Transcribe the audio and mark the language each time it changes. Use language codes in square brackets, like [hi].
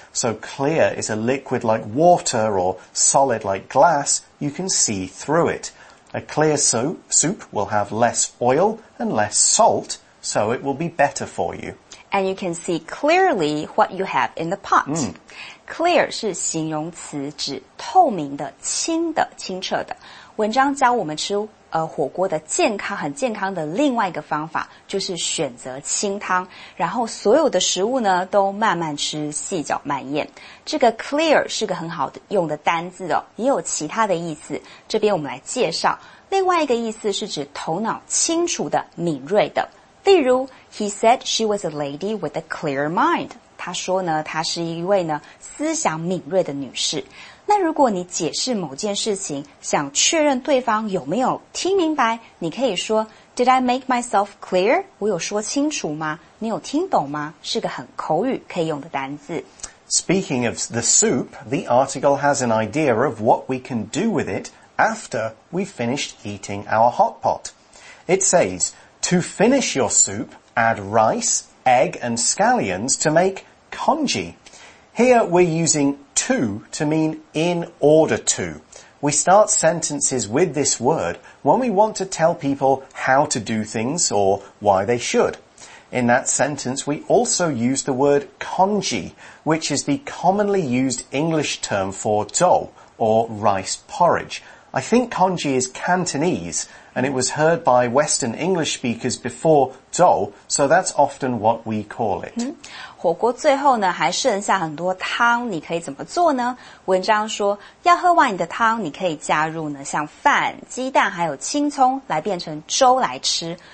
[en] So clear is a liquid like water or solid like glass. You can see through it. A clear soup will have less oil and less salt, so it will be better for you. And you can see clearly what you have in the pot. [zh] Clear 是形容词，指透明的、清的、清澈的。文章教我们吃火锅的健康很健康的另外一个方法就是选择清汤，然后所有的食物呢都慢慢吃，细嚼慢咽。这个 clear 是个很好的用的单字哦，也有其他的意思，这边我们来介绍。另外一个意思是指头脑清楚的、敏锐的。 [en] 例如 He said she was a lady with a clear mind. [zh] 他说呢她是一位呢思想敏锐的女士。那如果你解释某件事情，想确认对方有没有听明白，你可以说 [en] Did I make myself clear? [zh] 我有说清楚吗？你有听懂吗？是个很口语可以用的单字。 [en] Speaking of the soup, the article has an idea of what we can do with it after we've finished eating our hot pot. It says, to finish your soup, add rice, egg and scallions to make congee. Here we're using... to mean in order to. We start sentences with this word when we want to tell people how to do things or why they should. In that sentence, we also use the word congee, which is the commonly used English term for zhou or rice porridge. I think congee is Cantonese, and it was heard by Western English speakers before zhou, so that's often what we call it. Mm-hmm. [zh] 火锅最后呢还剩下很多汤，你可以怎么做呢？文章说要喝完你的汤，你可以加入呢像饭、鸡蛋还有青葱来变成粥来吃。